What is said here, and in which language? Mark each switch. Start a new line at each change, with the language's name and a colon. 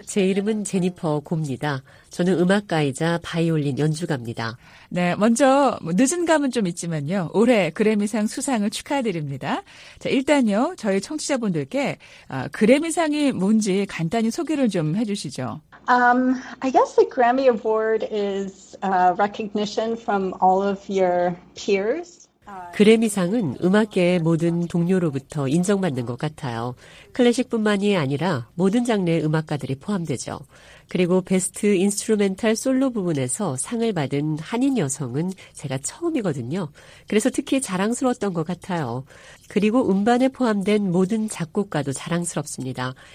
Korean: 제 이름은 제니퍼 고입니다. 저는 음악가이자 바이올린 연주가입니다. 네, 먼저 늦은 감은 좀 있지만요. 올해 그래미상 수상을 축하드립니다. 자, 일단요, 저희 청취자분들께 그래미상이 뭔지 간단히 소개를 좀 해 주시죠.
English: I guess the Grammy Award is recognition from all of your peers.
Korean: 그래미상은 음악계의 모든 동료로부터 인정받는 것 같아요. 클래식뿐만이 아니라 모든 장르의 음악가들이 포함되죠. 그리고 베스트 인스트루멘탈 솔로 부분에서 상을 받은 한인 여성은 제가 처음이거든요. 그래서 특히 자랑스러웠던 것 같아요. 그리고 음반에 포함된 모든 작곡가도 자랑스럽습니다.